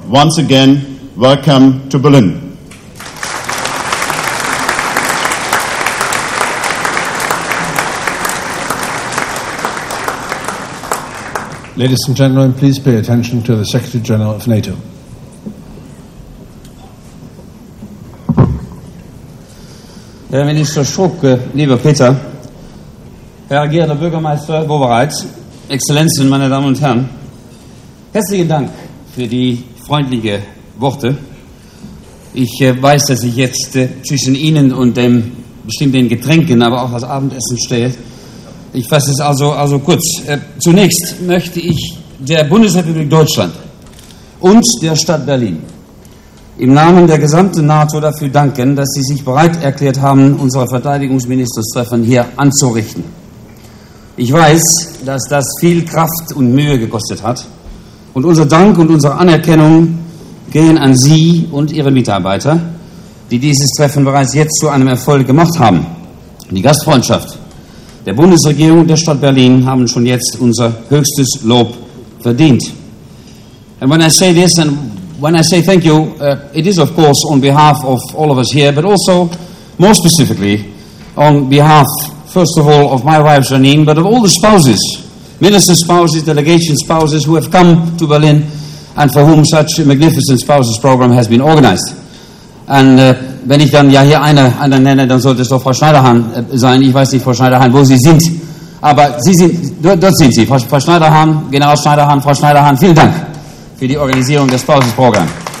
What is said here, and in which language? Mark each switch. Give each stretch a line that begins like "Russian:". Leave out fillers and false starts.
English: Once again, welcome to Berlin. Ladies and gentlemen, please pay attention to the Secretary General of NATO.
German: Herr Minister Struck, lieber Peter, Herr Agierender Bürgermeister Bobereitz, Exzellenzen, meine Damen und Herren, herzlichen Dank für die freundlichen Worte. Ich weiß, dass ich jetzt zwischen Ihnen und dem bestimmten Getränken, aber auch das Abendessen stehe. Ich fasse es also kurz. Zunächst möchte ich der Bundesrepublik Deutschland und der Stadt Berlin im Namen der gesamten NATO dafür danken, dass Sie sich bereit erklärt haben, unser Verteidigungsministertreffen hier anzurichten. Ich weiß, dass das viel Kraft und Mühe gekostet hat. Und unser Dank und unsere Anerkennung gehen an Sie und Ihre Mitarbeiter, die dieses Treffen bereits jetzt zu einem Erfolg gemacht haben. Die Gastfreundschaft der Bundesregierung und der Stadt Berlin haben schon jetzt unser höchstes Lob verdient.
English: And when I say this and when I say thank you, it is of course on behalf of all of us here, but also more specifically on behalf, first of all, of my wife Janine, but of all the spouses, minister spouses, delegation spouses who have come to Berlin and for whom such a magnificent spouses program has been organized.
German: And wenn ich dann ja hier eine nenne, dann sollte es doch Frau Schneiderhahn sein. Ich weiß nicht, Frau Schneiderhahn, wo Sie sind, aber Sie sind, dort sind Sie, Frau Schneiderhahn, General Schneiderhahn, Frau Schneiderhahn, vielen Dank für die Organisierung des Spouses-Programms.